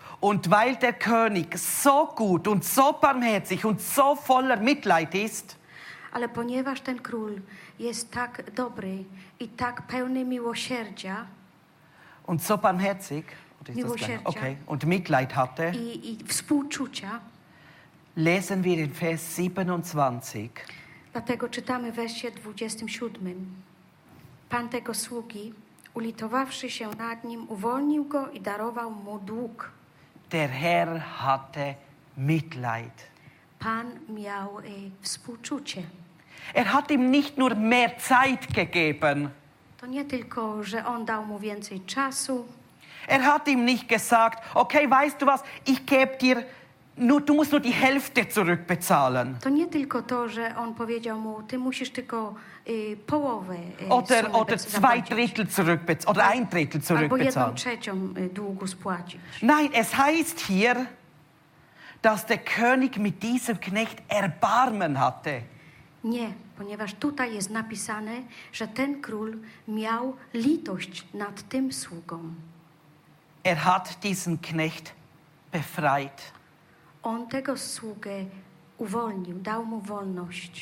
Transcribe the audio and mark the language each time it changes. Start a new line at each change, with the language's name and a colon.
German: Und weil der König so gut und so barmherzig und so voller Mitleid ist,
Polish: ale ponieważ ten król jest tak dobry i tak pełny miłosierdzia,
German: und so barmherzig,
Polish: miłosierdzia,
German: okay, und Mitleid hatte,
Polish: i współczucia,
German: lesen wir in Vers 27.
Polish: Dlatego czytamy w wersie 27. Pan tego sługi, ulitowawszy się nad nim, uwolnił go i darował mu dług.
German: Der Herr hatte Mitleid.
Polish: Pan miał współczucie.
German: Er hat ihm nicht nur mehr Zeit gegeben.
Polish: To nie tylko, że on dał mu więcej czasu.
German: Er hat ihm nicht gesagt, okay, weißt du was, ich gebe dir, nur, du musst nur die Hälfte zurückbezahlen.
Polish: To nie tylko to, że on powiedział mu, ty musisz tylko połowę
German: oder zwei Drittel zurückbezahlen, oder ein Drittel zurückbezahlen.
Polish: Albo jedną trzecią długu spłacić.
German: Nein, es heißt hier, dass der König mit diesem Knecht Erbarmen hatte.
Polish: Nie, ponieważ tutaj jest napisane, że ten król miał litość nad tym sługą.
German: Er hat diesen Knecht befreit.
Polish: On tego sługę uwolnił, dał mu wolność.